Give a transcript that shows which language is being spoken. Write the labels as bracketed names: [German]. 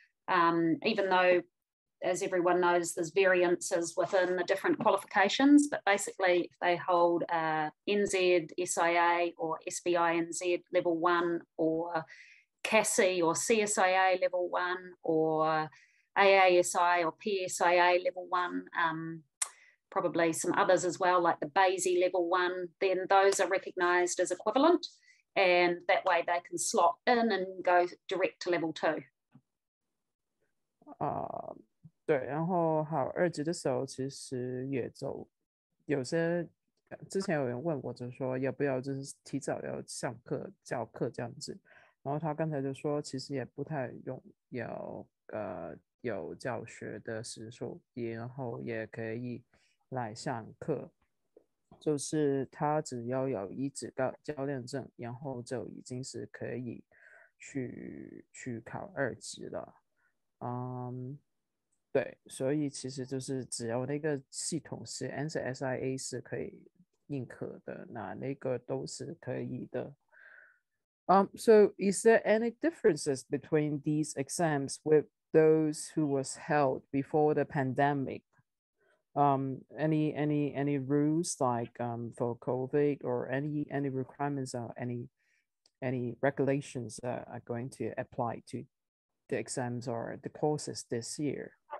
[English] Even though, as everyone knows, there's variances within the different qualifications, but basically if they hold NZSIA or SBINZ level one or CASI or CSIA level one or AASI or PSIA level one, probably some others as well, like the BASI level one, then those are recognized as equivalent. And that way they can slot in and go direct to level two. [Chinese] 对，然后好，二级的时候其实也走，有些之前有人问我，就说要不要就是提早要上课教课这样子，然后他刚才就说其实也不太用要有教学的时数，然后也可以来上课，就是他只要有一级教练证，然后就已经是可以去考二级了，对，所以其实就是只要那个系统是 NZSIA 是可以认可的，那个都是可以的。 [English] So is there any differences between these exams with those who was held before the pandemic? Any rules like for COVID or any requirements or any regulations that are going to apply to the exams or the courses this year?